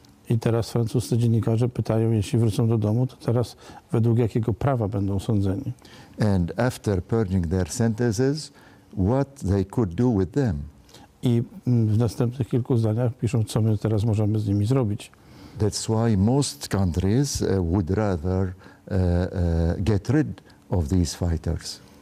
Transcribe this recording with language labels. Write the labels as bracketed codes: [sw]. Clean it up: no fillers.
[pl] I teraz francuscy dziennikarze pytają, jeśli wrócą do domu, to teraz według jakiego prawa będą sądzeni? [en] And after purging their sentences, what they could do with them? [pl] I w następnych kilku zdaniach piszą, co my teraz możemy z nimi zrobić. [en] That's why most countries would rather get rid of these fighters.